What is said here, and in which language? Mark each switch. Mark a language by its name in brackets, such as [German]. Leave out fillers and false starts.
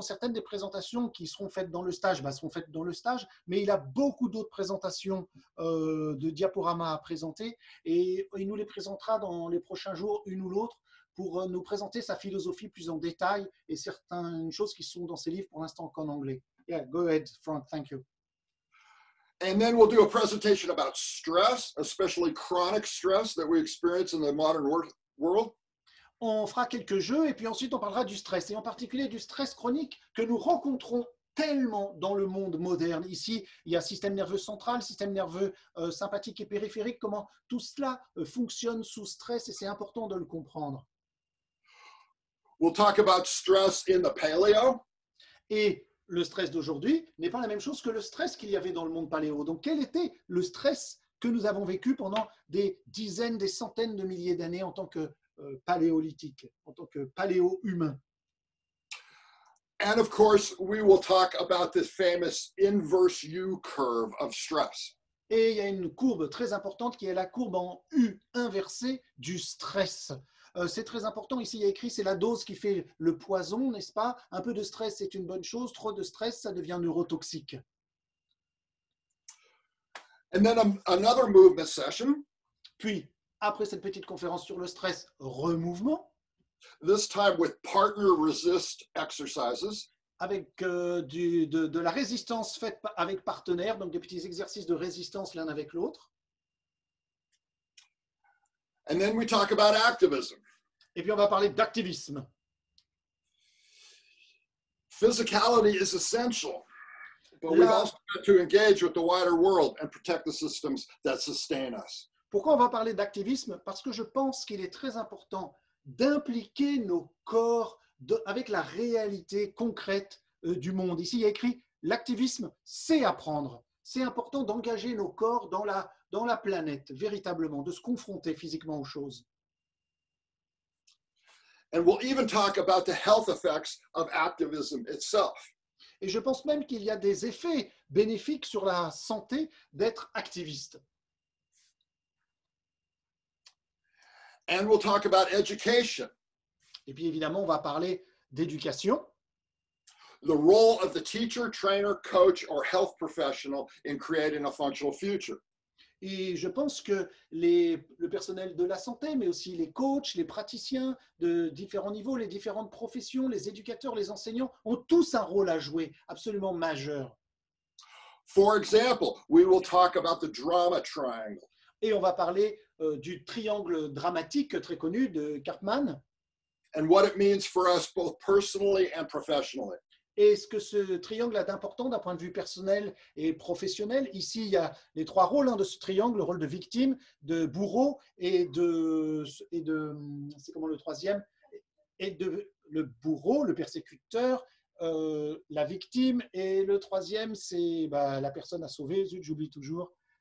[French] Certaines des présentations qui seront faites dans le stage, seront faites dans le stage. Mais il a beaucoup d'autres présentations de diaporamas à présenter. Et il nous les présentera dans les prochains jours, une ou l'autre, pour nous présenter sa philosophie plus en détail et certaines choses qui sont dans ses livres pour l'instant qu'en anglais. [English] Yeah, go ahead, Frank, thank you. And then we'll do a presentation about stress, especially chronic stress that we experience in the modern world. [French] On fera quelques jeux et puis ensuite on parlera du stress, et en particulier du stress chronique que nous rencontrons tellement dans le monde moderne. Ici, il y a système nerveux central, système nerveux sympathique et périphérique, comment tout cela fonctionne sous stress, et c'est important de le comprendre. [English] We'll talk about stress in the paléo. [French] Et le stress d'aujourd'hui n'est pas la même chose que le stress qu'il y avait dans le monde paléo. Donc, quel était le stress que nous avons vécu pendant des dizaines, des centaines de milliers d'années en tant que paléolithique, en tant que paléo-humain? [English] And of course, we will talk about this famous inverse U curve of stress. [French] Et il y a une courbe très importante qui est la courbe en U inversée du stress. C'est très important. Ici, il y a écrit, c'est la dose qui fait le poison, n'est-ce pas? Un peu de stress, c'est une bonne chose. Trop de stress, ça devient neurotoxique. [English] And then another movement session. [French] Puis, après cette petite conférence sur le stress, remouvement. [English] This time with partner resist exercises. [French] Avec de la résistance faite avec partenaire, donc des petits exercices de résistance l'un avec l'autre. [English] And then we talk about activism. [French] Et puis on va parler d'activisme. [English] Physicality is essential, but we've also got to engage with the wider world and protect the systems that sustain us. [French] Pourquoi on va parler d'activisme? Parce que je pense qu'il est très important d'impliquer nos corps avec la réalité concrète du monde. Ici, il y a écrit, l'activisme, c'est apprendre. C'est important d'engager nos corps dans la planète, véritablement, de se confronter physiquement aux choses. [English] And we'll even talk about the health effects of activism itself. [French] Et je pense même qu'il y a des effets bénéfiques sur la santé d'être activiste. [English] And we'll talk about education. [French] Et puis évidemment, on va parler d'éducation. [English] The role of the teacher, trainer, coach or health professional in creating a functional future. [French] Et je pense que le personnel de la santé, mais aussi les coachs, les praticiens de différents niveaux, les différentes professions, les éducateurs, les enseignants ont tous un rôle à jouer absolument majeur. [English] For example, we will talk about the drama triangle. [French] Et on va parler du triangle dramatique très connu de Cartman. [English] And what it means for us both personally and professionally. [French] Et ce que ce triangle a d'important d'un point de vue personnel et professionnel. Ici, il y a les trois rôles de ce triangle, le rôle de victime, de bourreau et de c'est comment le troisième? Et de le bourreau, le persécuteur, la victime, et le troisième, c'est la personne à sauver. Zut, j'oublie toujours.